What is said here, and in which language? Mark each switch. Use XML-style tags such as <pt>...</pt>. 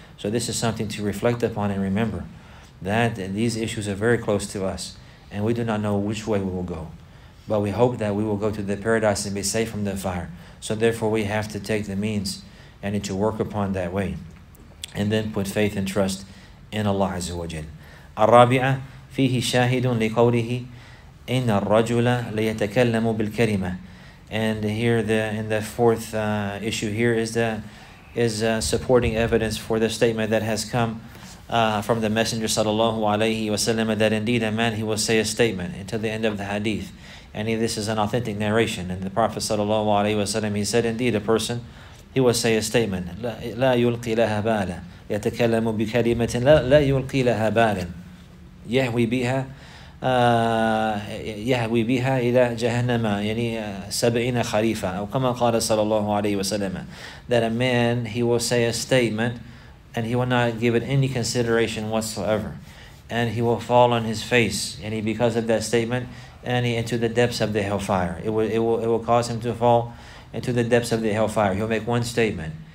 <en>So this is something to reflect upon and remember that these issues are very close to us, and we do not know which way we will go. But we hope that we will go to the paradise and be safe from the fire. So therefore we have to take the means and to work upon that way. And then put faith and trust in Allah Azza wa Jalla.</en> <ar>الرابعه فيه شاهد لقوله إن الرجل ليتكلم بالكلمة.</ar> <en>And here in the fourth issue here is supporting evidence for the statement that has come from the Messenger sallallahu alayhi wasallam, that indeed a man, he will say a statement until the end of the hadith. And this is an authentic narration. And the Prophet sallallahu alayhi wasallam, he said indeed a person, he will say a statement.</en> <ar>لا يلقي لها بالا يتكلم بكلمة لا يلقي لها بالا يهوي بها إلى جهنم يعني 70 خريفة أو كما قال صلى الله عليه وسلم.</ar> <en>That a man, he will say a statement and he will not give it any consideration whatsoever, and he will fall on his face, and he, because of that statement, and he into the depths of the hellfire. It will cause him to fall into the depths of the hellfire. He'll make one statement,</en>